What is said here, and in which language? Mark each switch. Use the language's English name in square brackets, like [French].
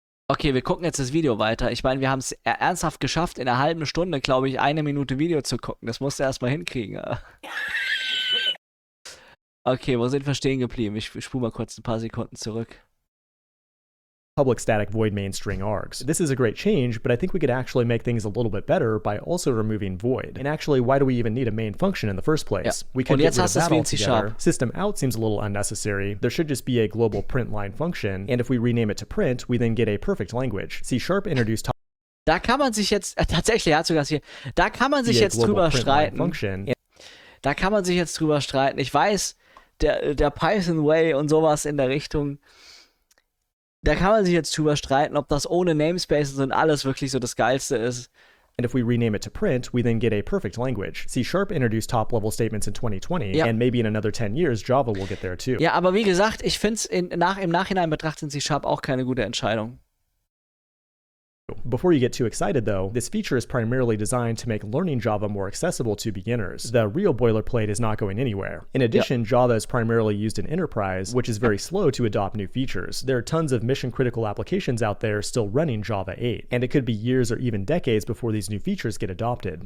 [German] Okay, wir gucken jetzt das Video weiter. Ich meine, wir haben es ernsthaft geschafft, in einer halben Stunde, glaube ich, eine Minute Video zu gucken. Das musst du erstmal hinkriegen. Okay, wo sind wir stehen geblieben? Ich spule mal kurz ein paar Sekunden zurück. [English] Public static void main string args. This is a great change, but I think we could actually make things a little bit better by also removing void. And actually, why do we even need a main function in the first place? [German] Ja. [English] We could get rid of that altogether. System out seems a little unnecessary. There should just be a global print line function. And if we rename it to print, we then get a perfect language. C sharp introduced. [German] Da kann man sich jetzt tatsächlich hat sogar hier. Da kann man sich jetzt drüber streiten. Da kann man sich jetzt drüber streiten. Ich weiß, der Python Way und sowas in der Richtung. Da kann man sich jetzt drüber streiten, ob das ohne Namespaces und alles wirklich so das Geilste ist. [English] And if we rename it to print, we then get a perfect language. C Sharp introduced top-level statements in 2020, ja. And maybe in another 10 years, Java will get there too. [German] Ja, aber wie gesagt, ich finde es im Nachhinein betrachtet C Sharp auch keine gute Entscheidung. [English] Before you get too excited, though, this feature is primarily designed to make learning Java more accessible to beginners. The real boilerplate is not going anywhere. In addition, yep. Java is primarily used in enterprise, which is very slow to adopt new features. There are tons of mission-critical applications out there still running Java 8, and it could be years or even decades before these new features get adopted.